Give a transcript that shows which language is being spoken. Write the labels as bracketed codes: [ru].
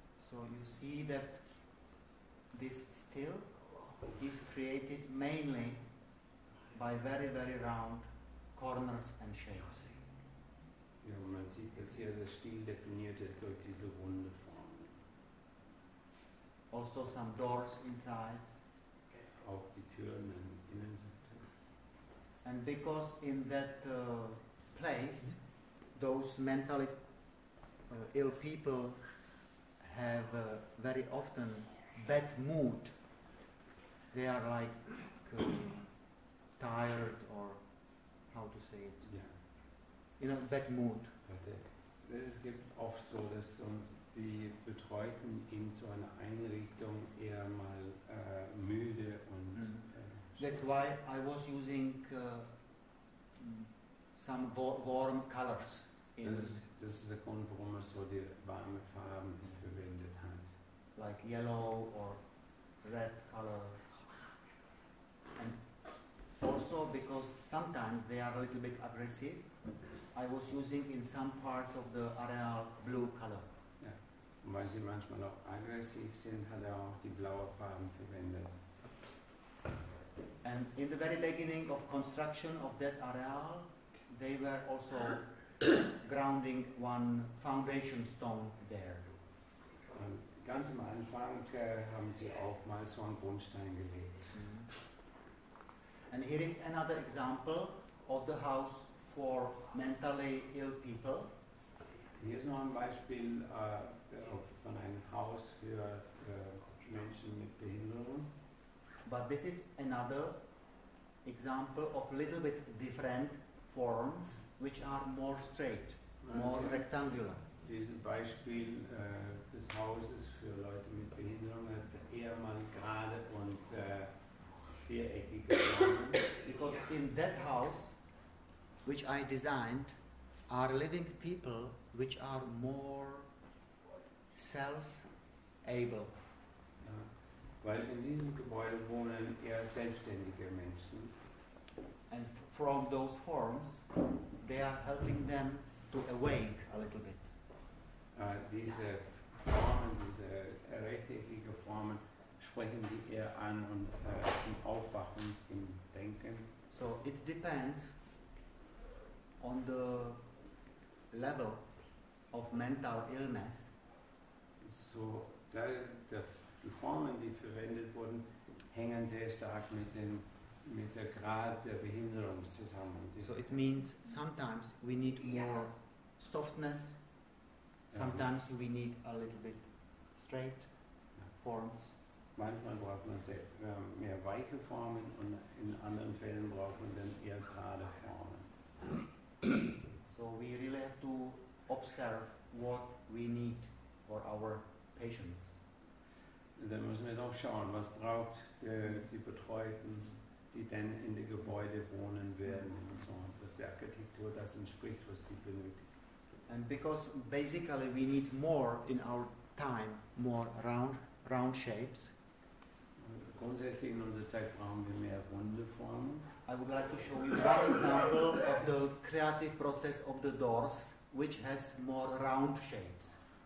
[en] So you see that this still is created mainly by very, very round corners and shapes. [de] Ja, man sieht, dass hier der Stil definiert ist durch diese runde Form. [en] Also some doors inside. [de] Auch die Türen und die Innenseite. [en] And because in that place, those mentally ill people have very often bad mood. They are like tired, or how to say it? Yeah. In a bad mood. [de] Es gibt oft so, dass uns die Betreuten in so einer Einrichtung eher mal müde und. Mm. [en] That's why I was using some warm colors. [de] Das ist der Grund, warum man so die warme Farben verwendet hat. [en] Like yellow or red color. Also because sometimes they are a little bit aggressive, I was using in some parts of the areal blue color. Yeah. [de] Weil sie manchmal auch aggressiv sind, hat auch die blaue Farben verwendet. [en] And in the very beginning of construction of that areal, they were also grounding one foundation stone there. [de] Und ganz am Anfang haben sie auch mal so einen Grundstein gelegt. [en] And here is another example of the house for mentally ill people. [de] Hier ist noch ein Beispiel von einem Haus für Menschen mit Behinderung. [en] But this is another example of a little bit different forms, which are more straight, more rectangular. [de] Dieses Beispiel des Hauses für Leute mit Behinderung hat eher mal gerade und viereckige Formen. [en] Because in that house, which I designed, are living people which are more self-able. [de] Weil in diesem Gebäude wohnen eher selbstständige Menschen. [en] And from those forms, they are helping them to awake a little bit. [de] Diese Formen, diese rechteckige Formen, sprechen die eher an und zum Aufwachen im Denken. [en] So it depends on the level of mental illness. [de] So die Formen, die verwendet wurden, hängen sehr stark mit der Grad der Behinderung zusammen. [en] So it means sometimes we need more softness, sometimes we need a little bit straight forms. [de] Manchmal braucht man mehr weiche Formen und in anderen Fällen braucht man dann eher gerade Formen. [en] So we really have to observe what we need for our patients. [de] Dann müssen wir doch schauen, was braucht die Betreuten, die dann in den Gebäude wohnen werden, so, was der Architektur das entspricht, was die benötigen. [en] And because basically we need more in our time, more round shapes. [de] Grundsätzlich in unserer Zeit brauchen wir mehr runde Formen. [en] I would like to show you one example of the creative process of the doors, which has more round shapes.